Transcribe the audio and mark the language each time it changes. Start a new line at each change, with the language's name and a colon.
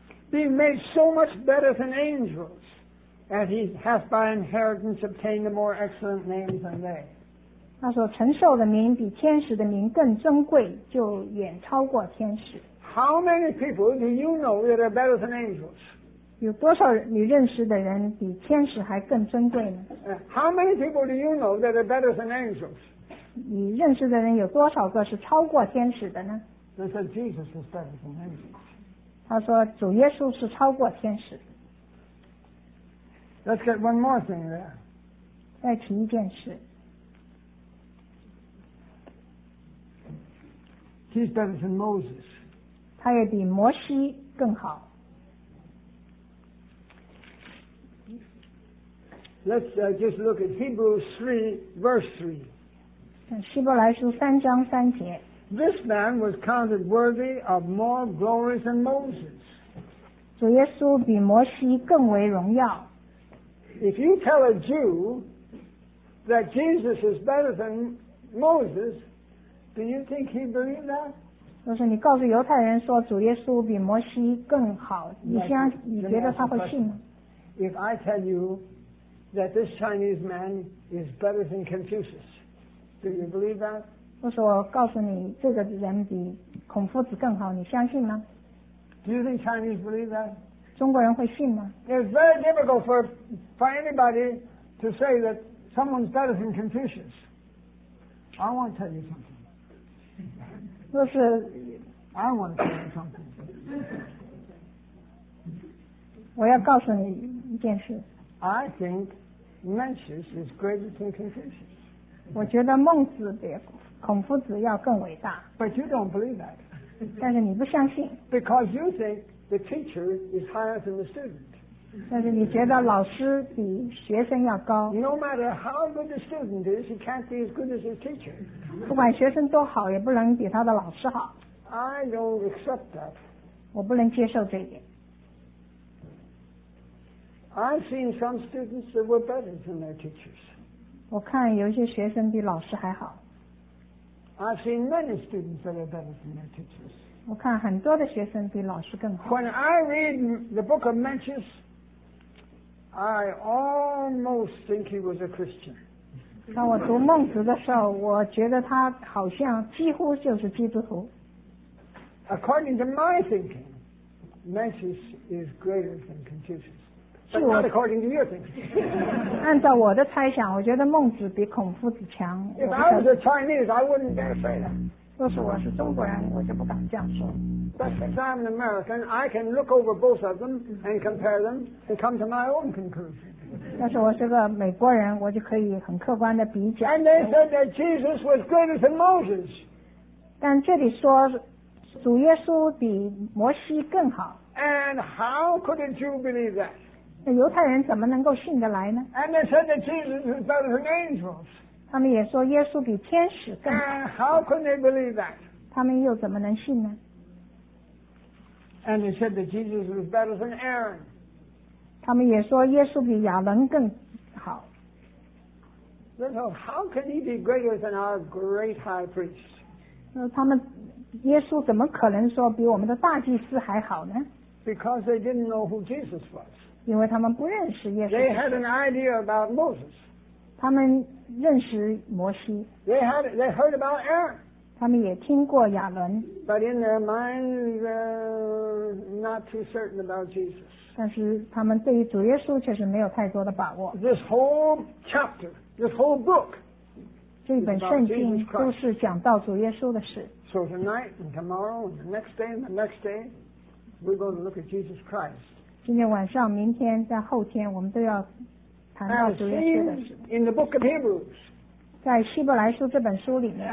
English: Being made so much better than angels, and he hath by inheritance obtained a more excellent name than they.
Chinese: 他所承受的名比天使的名更珍贵，就远超过天使。
English: How many people do you know that are better than angels?
Chinese: 有多少你认识的人比天使还更珍贵呢
English: ？How many people do you know that are better than angels?
Chinese: 你认识的人有多少个是超过天使的呢
English: ？They said Jesus is better than angels.
Chinese: 他说主耶稣是超过天使。
English: Let's get one more thing there.
Chinese: 再提一件事。
English: He's better than Moses.
Chinese: 他也比摩西更好。
English: Let's just look at Hebrews 3, verse 3.
Chinese: 希伯来书三章三节。
English: This man was counted worthy of more glory than Moses.
Chinese: 主耶稣比摩西更为荣耀。
English: If you tell a Jew that Jesus is better than Moses,Do you think he believed that?
Chinese: 就是你告诉犹太人说主耶稣比摩西更好，你相你觉得他会信吗
English: ？If I tell you that this Chinese man is better than Confucius, do you believe that?
Chinese: 就是我告诉你这个人比孔夫子更好，你相信吗
English: ？Do you think Chinese believe that?
Chinese: 中国人会信吗
English: ？It's very difficult for anybody to say that someone's better than Confucius. I want to tell you something.
Chinese: 就是
English: I want to tell you something.
Chinese: 我要告诉你一件事。
English: I think Mencius is greater than Confucius.
Chinese: 我觉得孟子比孔夫子要更伟大。
English: But you don't believe that.
Chinese: 但是你不相信。
English: Because you think the teacher is higher than the student.
Chinese: 但是你觉得老师比学生要高。
English: No matter how good the student is, he can't be as good as his teacher.
Chinese: 不管学生多好，也不能比他的老师好。
English: I don't accept that.
Chinese: 我不能接受这一点。
English: I've seen some students that were better than their teachers.
Chinese: 我看有些学生比老师还好。
English: I've seen many students that are better than their teachers.
Chinese: 我看很多的学生比老师更好。
English: When I read the book of Mencius, I almost think he was a Christian.
Chinese: 当我读孟子的时候，我觉得他好像几乎就是基督徒。
English: According to my thinking, Mencius is greater than Confucius. But not according to your thinking.
Chinese: 按照我的猜想，我觉得孟子比孔夫子强。
English: If I was a Chinese, I wouldn't dare say that.
Chinese: 若是我是中国人，我就不敢这样说。
English: But since I'm an American, I can look over both of them and compare them and come to my own conclusion.
Chinese: 但是我是个美国人，我就可以很客观的比较。
English: And they said that Jesus was greater than Moses.
Chinese: 但这里说主耶稣比摩西更好。
English: And how could a Jew believe that?
Chinese: 那犹太人怎么能够信得来呢？
English: And they said that Jesus is better than angels.
Chinese: 他们也说耶稣比天使更好。
English: And how could they believe that?
Chinese: 他们又怎么能信呢？
English: And they said that Jesus was better than Aaron.
Chinese: 他们也说耶稣比亚伦更好。
English: So how can he be greater than our great high priest?
Chinese: 那他们耶稣怎么可能说比我们的大祭司还好呢？
English: Because they didn't know who Jesus was.
Chinese: 因为他们不认识耶稣。
English: They had an idea about Moses.
Chinese: 他们认识摩西。
English: They heard about Aaron.
Chinese: 他们也听过亚伦。
English: But in their minds, not too certain about Jesus.
Chinese: 但是他们对于主耶稣确实没有太多的把握。
English: This whole chapter, this whole book,
Chinese: 这本圣经都是讲到主耶稣的事。
English: So tonight and tomorrow and the next day, we're going to look at Jesus Christ.
Chinese: 今天晚上、明天、在后天，我们都要谈到主耶稣的事。
English: In the book of Hebrews,
Chinese: 在希伯来书这本书里面。